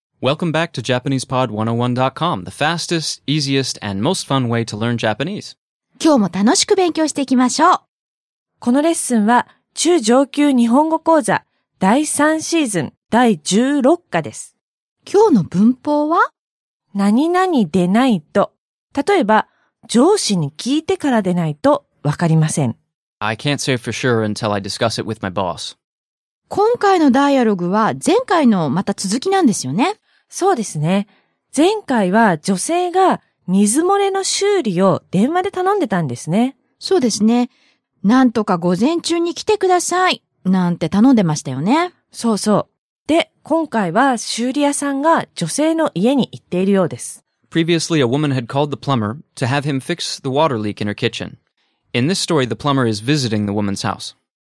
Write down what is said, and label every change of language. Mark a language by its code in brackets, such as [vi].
[en] Welcome back to JapanesePod101.com, the fastest, easiest, and most fun way to learn Japanese. [ja] 今日も楽しく勉強していきましょう。このレッスンは中上級日本語講座第3シーズン第16課です。今日の文法は何々でないと、例えば上司に聞いてからでないとわかりません。 [en] I can't say for sure until I discuss it with my boss. [ja] 今回のダイアログは前回のまた続きなんですよね。そうですね。前回は女性が水漏れの修理を電話で頼んでたんですね。そうですね。なんとか午前中に来てくださいなんて頼んでましたよね。そうそう。で、今回は修理屋さんが女性の家に行っているようです。 [en] Previously, a woman had called the plumber to have him fix the water leak in her kitchen. In this story, the plumber is visiting the woman's house.